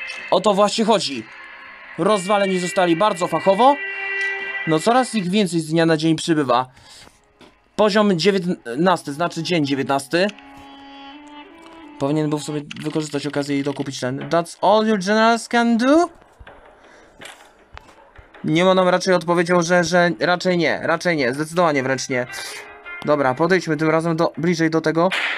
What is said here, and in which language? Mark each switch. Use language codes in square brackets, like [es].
[pl] O to właśnie chodzi. Rozwaleni zostali bardzo fachowo. No coraz ich więcej z dnia na dzień przybywa. Poziom 19, znaczy dzień 19. Powinien był sobie wykorzystać okazję i dokupić ten. [en] That's all your generals can do? [pl] Nie ma nam raczej odpowiedział, że raczej nie, zdecydowanie wręcz nie. Dobra, podejdźmy tym razem do, bliżej do tego.